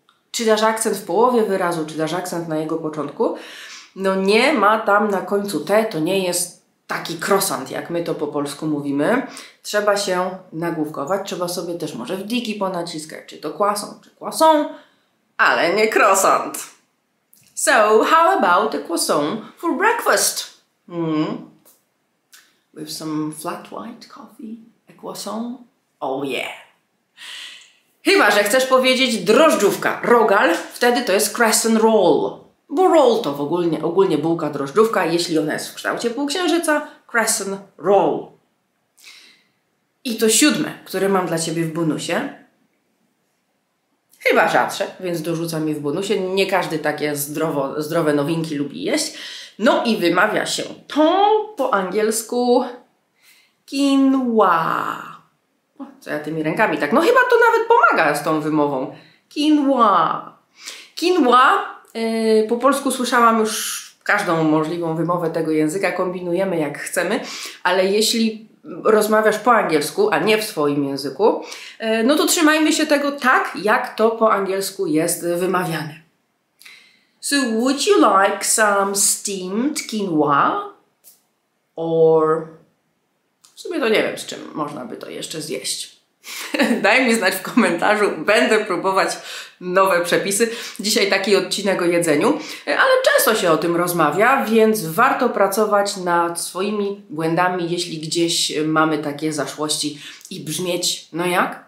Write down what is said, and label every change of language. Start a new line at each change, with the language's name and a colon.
Polish: Czy dasz akcent w połowie wyrazu, czy dasz akcent na jego początku? No nie ma tam na końcu T, to nie jest taki croissant, jak my to po polsku mówimy. Trzeba się nagłówkować, trzeba sobie też może w digi ponaciskać, czy to croissant, czy croissant, ale nie croissant.
English: So, how about a croissant for breakfast? With some flat white coffee, a croissant? Oh yeah!
Polish: Chyba, że chcesz powiedzieć drożdżówka, rogal, wtedy to jest crescent roll. Bo roll to w ogólnie bułka drożdżówka, jeśli ona jest w kształcie półksiężyca, crescent roll. I to siódme, które mam dla Ciebie w bonusie. Chyba rzadsze, więc dorzucam je w bonusie. Nie każdy takie zdrowe nowinki lubi jeść. No i wymawia się to po angielsku quinoa. Co ja tymi rękami tak? No chyba to nawet pomaga z tą wymową. Quinoa. Quinoa, po polsku słyszałam już każdą możliwą wymowę tego języka. Kombinujemy jak chcemy, ale jeśli rozmawiasz po angielsku, a nie w swoim języku, no to trzymajmy się tego tak, jak to po angielsku jest wymawiane.
English: So would you like some steamed quinoa? Or...
Polish: W sumie to nie wiem, z czym można by to jeszcze zjeść. Daj mi znać w komentarzu, będę próbować nowe przepisy. Dzisiaj taki odcinek o jedzeniu, ale często się o tym rozmawia, więc warto pracować nad swoimi błędami, jeśli gdzieś mamy takie zaszłości i brzmieć, no jak?